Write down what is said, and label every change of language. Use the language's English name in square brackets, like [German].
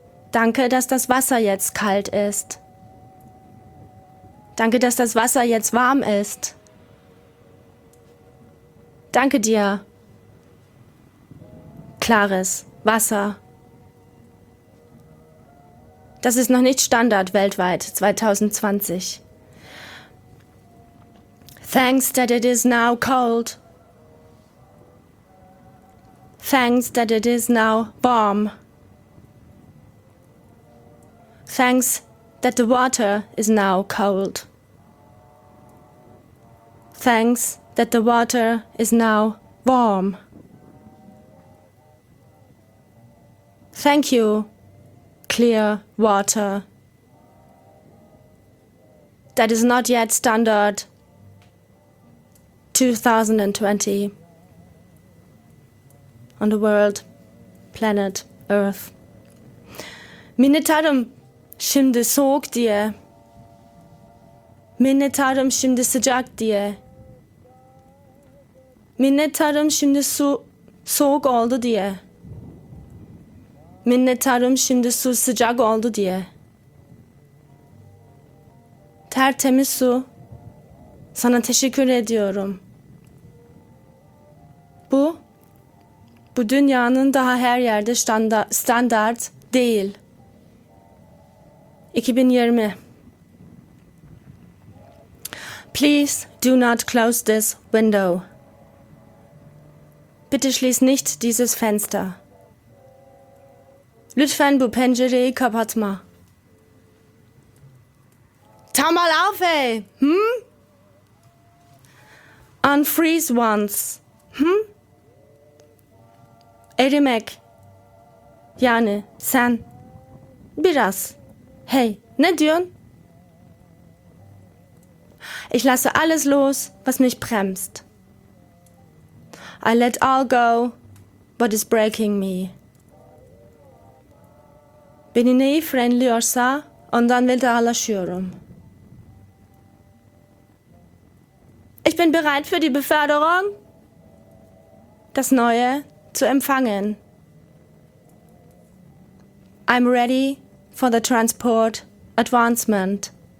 [German] Danke, dass das Wasser jetzt kalt ist. Danke, dass das Wasser jetzt warm ist. Danke dir, klares Wasser. Das ist noch nicht Standard weltweit 2020. [English] Thanks that it is now cold. Thanks that it is now warm. Thanks that the water is now cold. Thanks that the water is now warm. Thank you, clear water. That is not yet standard 2020 on the world, planet, earth. [Turkish] Minnettarım şimdi soğuk diye. Minnettarım şimdi sıcak diye. Minnettarım şimdi soğuk oldu diye. Minnettarım şimdi su sıcak oldu diye. Tertemiz su. Sana teşekkür ediyorum. Bu dünyanın daha her yerde standart değil. 2020. [English] Please do not close this window. [German] Bitte schließ nicht dieses Fenster. [Turkish] Lütfen bu pencereyi kapatma. [German] Tau mal auf, ey! Hm? [English] Unfreeze once. Hm? [Turkish] Erimek. Yani sen. Biraz. Hey, ne diyorsun? [German] Ich lasse alles los, was mich bremst. [English] I let all go, what is breaking me. [Turkish] Beni neyi frenliyorsa, ondan vedalaşıyorum. [German] Ich bin bereit für die Beförderung, das Neue zu empfangen. [English] I'm ready for the transport advancement.